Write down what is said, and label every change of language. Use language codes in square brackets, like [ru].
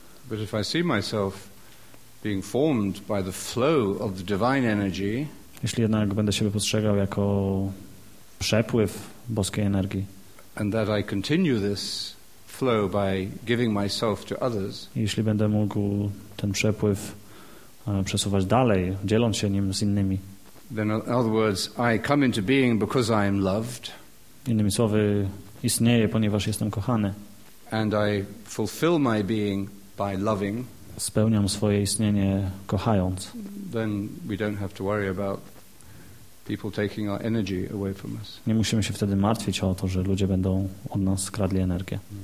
[en] But if I see myself being formed by the flow of the divine energy, [pl] jeśli jednak będę siebie postrzegał jako przepływ boskiej energii. [en] And that I continue this flow by giving myself to others. [pl] Jeśli będę mógł ten przepływ przesuwać dalej, dzieląc się nim z innymi. [en] Then in other words, I come into being because I am loved. [pl] Innymi słowy, istnieję, ponieważ jestem kochany. [en] And I fulfill my being by loving. [pl] Spełniam swoje istnienie kochając. [en] Then we don't have to worry about people taking our energy away from us. [pl] Nie musimy się wtedy martwić o to, że ludzie będą od nas kradli energię.